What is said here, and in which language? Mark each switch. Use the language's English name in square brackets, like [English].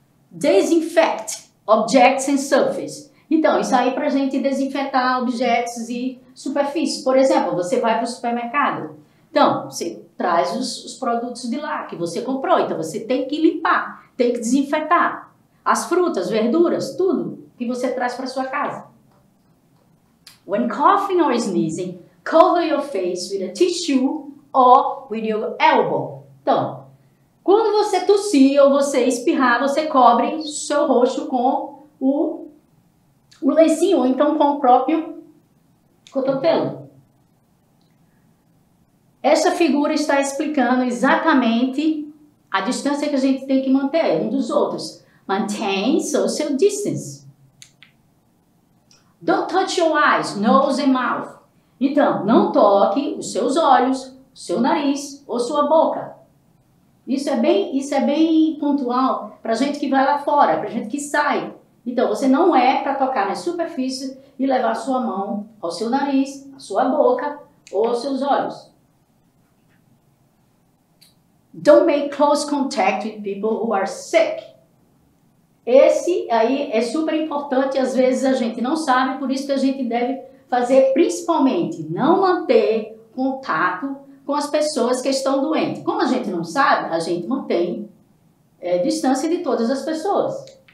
[English] Disinfect objects and surface. [Portuguese] Então, isso aí para a gente desinfetar objetos e superfícies. Por exemplo, você vai para o supermercado. Então, você traz os produtos de lá que você comprou. Então, você tem que limpar, tem que desinfetar. As frutas, verduras, tudo que você traz para sua casa. [English] When coughing or sneezing, cover your face with a tissue or with your elbow. [Portuguese] Então, quando você tossir ou você espirrar, você cobre seu rosto com o lencinho, ou então com o próprio cotovelo. Essa figura está explicando exatamente A distância que a gente tem que manter um dos outros. [English] Maintain social distance. Don't touch your eyes, nose and mouth. [Portuguese] Então, não toque os seus olhos, seu nariz ou sua boca. Isso é bem pontual para gente que vai lá fora, para gente que sai. Então, você não é para tocar nas superfícies e levar sua mão ao seu nariz, à sua boca ou aos seus olhos. [English] Don't make close contact with people who are sick. [Portuguese] Esse aí é super importante, às vezes a gente não sabe, por isso que a gente deve fazer principalmente não manter contato com as pessoas que estão doentes. Como a gente não sabe, a gente mantém distância de todas as pessoas.